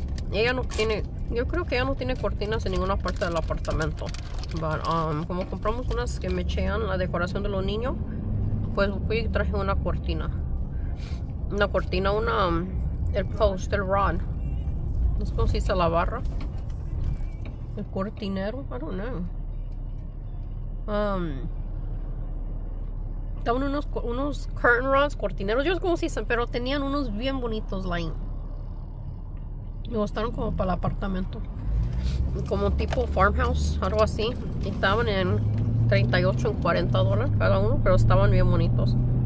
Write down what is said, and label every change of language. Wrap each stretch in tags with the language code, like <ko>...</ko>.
<es>Ella no tiene, yo creo que ella no tiene cortinas en ninguna parte del apartamento. Como compramos unas que mechean la decoración de los niños, pues fui y traje una cortina. Una cortina, una, el post, el rod. No sé cómo se dice la barra. El cortinero,</es> <en>I don't know.</en> <es>Estaban unos</es> <en>curtain rods,</en> <es>cortineros, yo no sé cómo se dicen, pero tenían unos bien bonitos, line. Me gustaron como para el apartamento, como tipo farmhouse, algo así. Y estaban en 38, en $40 cada uno, pero estaban bien bonitos.</es>